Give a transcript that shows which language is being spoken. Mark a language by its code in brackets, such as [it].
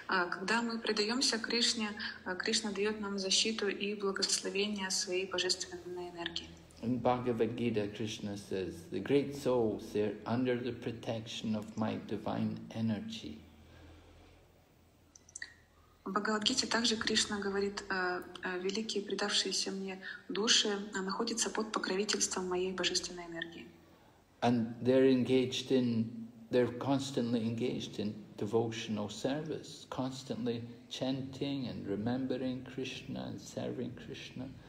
[ru] Когда мы предаемся Кришне, Кришна дает нам защиту и благословение своей божественной энергии. [en] In Bhagavad Gita, Krishna says, the great souls, they're under the protection of my divine energy. [ru] В Бхагавад Гите также Кришна говорит, великие предавшиеся мне души находятся под покровительством моей божественной энергии. [en] And they're engaged in, they're constantly engaged in devotional service, constantly chanting and remembering Krishna and serving Krishna.